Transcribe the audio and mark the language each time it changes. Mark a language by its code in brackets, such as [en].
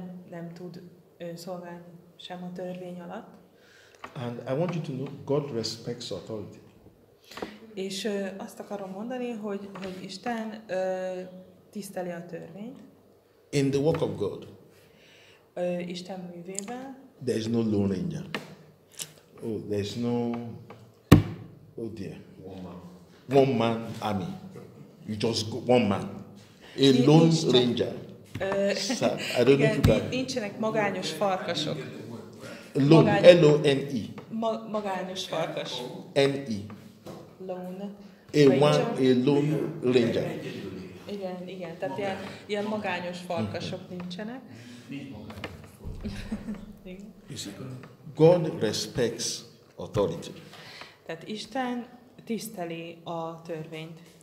[hu] Nem tud szolgálni sem a törvény alatt. [en] And I want you to know God respects authority. [hu] És azt akarom mondani, hogy Isten tiszteli a törvényt. [en] In the work of God. [hu] Isten művében. [en] There is no lone angel. Oh, there is no, oh dear, one man army. You just go, one man, a lone ranger. I don't know if you can. [hu] Nincsenek magányos farkasok. [en] Lone, L-O-N-E. [hu] Magányos farkas. [en] N-E. Lone. A lone ranger. [hu] Igen, tehát ilyen magányos farkasok nincsenek. [en] God respects authority. [hu] Tehát Isten tiszteli a törvényt.